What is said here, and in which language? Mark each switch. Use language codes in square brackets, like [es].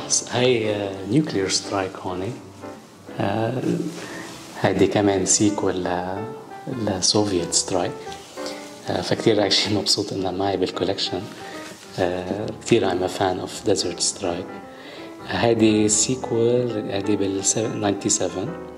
[ar] هاي nuclear strike هوني. هادي كمان sequel ل soviet strike. فكتير actually مبسوط انها معي بالcollection. كتير [en] I'm a fan of desert strike. [ar] هادي sequel هادي بال 97.